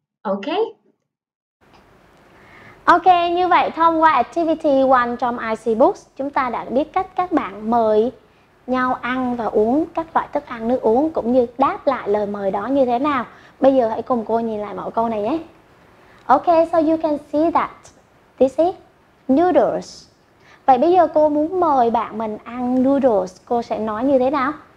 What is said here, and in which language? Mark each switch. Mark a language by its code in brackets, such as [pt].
[en] Okay? [vi] Okay, như vậy thông qua activity 1 trong IC Books, chúng ta đã biết cách các bạn mời nhau ăn và uống các loại thức ăn nước uống cũng như đáp lại lời mời đó như thế nào. Bây giờ hãy cùng cô nhìn lại mẫu câu này nhé. [en] Okay, so you can see that this is noodles. [vi] Vậy bây giờ cô muốn mời bạn mình ăn noodles, cô sẽ nói như thế nào?